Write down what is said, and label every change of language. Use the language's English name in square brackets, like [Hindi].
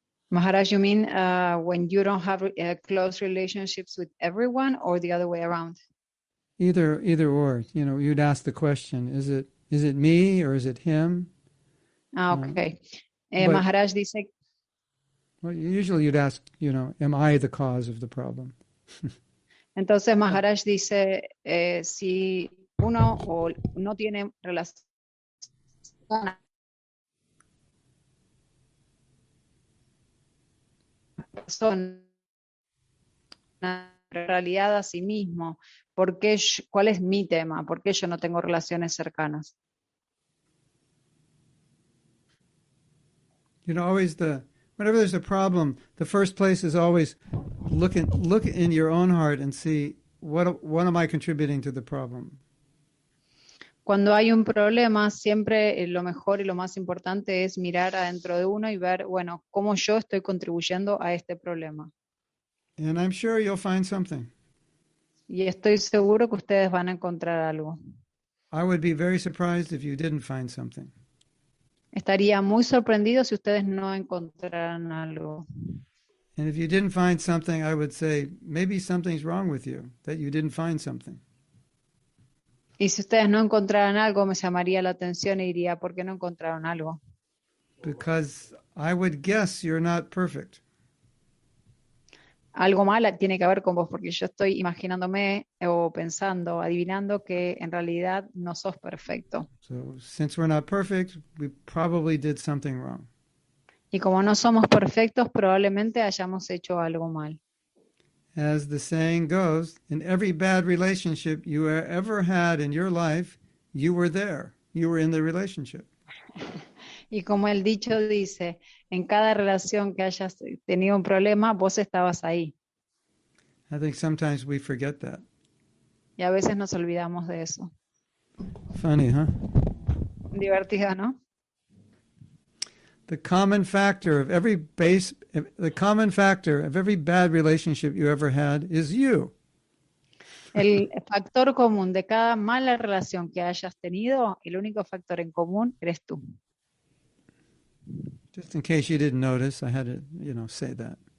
[English] Maharaj, you mean when you don't have close relationships with everyone or the other way around? Either or, you know, you'd ask the question, is it me or is it him? Ah, okay. [Spanish] Maharaj dice... [English] Well, usually you'd ask, you know, am I the cause of the problem? [Spanish] Entonces Maharaj dice si uno o no tiene relación. Son una realidad a sí mismo. ¿Cuál es mi tema? ¿Por qué yo no tengo relaciones cercanas? [English] You know, always whenever there's a problem, the first place is always look in your own heart and see what am I contributing to the problem. [Spanish] Cuando hay un problema, siempre lo mejor y lo más importante es mirar adentro de uno y ver, bueno, cómo yo estoy contribuyendo a este problema. [English] And I'm sure you'll find something. [Spanish] Y estoy seguro que ustedes van a encontrar algo. [English] I would be very surprised if you didn't find something. [Spanish] Estaría muy sorprendido si ustedes no encontraran algo. [English] And if you didn't find something, I would say, maybe something's wrong with you, that you didn't find something. [Spanish] Y si ustedes no encontraran algo, me llamaría la atención y diría, ¿por qué no encontraron algo? [English] Because I would guess you're not perfect. [Spanish] Algo malo tiene que ver con vos, porque yo estoy imaginándome o pensando, adivinando que en realidad no sos perfecto. [English] So, since we're not perfect, we probably did something wrong. [Spanish] Y como no somos perfectos, probablemente hayamos hecho algo mal. [English] As the saying goes, in every bad relationship you ever had in your life, you were there. You were in the relationship. [Spanish] Y como el dicho dice, en cada relación que hayas tenido un problema, vos estabas ahí. [English] I think sometimes we forget that. [Spanish] Y a veces nos olvidamos de eso. [English] Funny, huh? [Spanish] Divertido, ¿no? [English] The common factor of every bad relationship you ever had is you. [Spanish] El factor común de cada mala relación que hayas tenido, el único factor en común eres tú. [English] Just in case you didn't notice, I had to, you know, say that.